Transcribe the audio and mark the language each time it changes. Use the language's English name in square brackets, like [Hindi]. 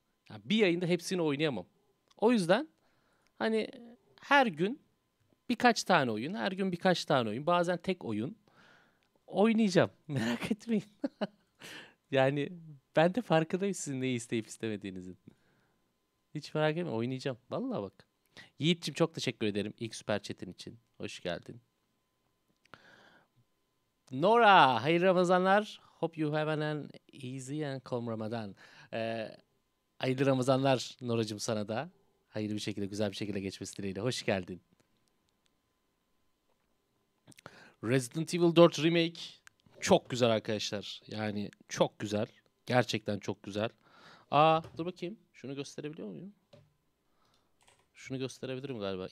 [Turkish] Yani bir yayında hepsini oynayamam. O yüzden hani her gün birkaç tane oyun, her gün birkaç tane oyun, bazen tek oyun oynayacağım. Merak etmeyin. Yani ben de farkındayım sizin neyi isteyip istemediğinizin. Hiç merak etme, oynayacağım. Vallahi bak. Yiğitçim çok teşekkür ederim ilk süper chat'in için. Hoş geldin. Nora, hayırlı Ramazanlar. [English] Hope you have an easy and calm Ramadan. [Turkish] Hayırlı Ramazanlar Noracığım sana da. Hayırlı bir şekilde, güzel bir şekilde geçmesi dileğiyle. Hoş geldin. Resident Evil 4 Remake çok güzel arkadaşlar. Yani çok güzel. Gerçekten çok güzel. Aa, dur bakayım. Şunu gösterebiliyor muyum? Şunu gösterebilirim galiba.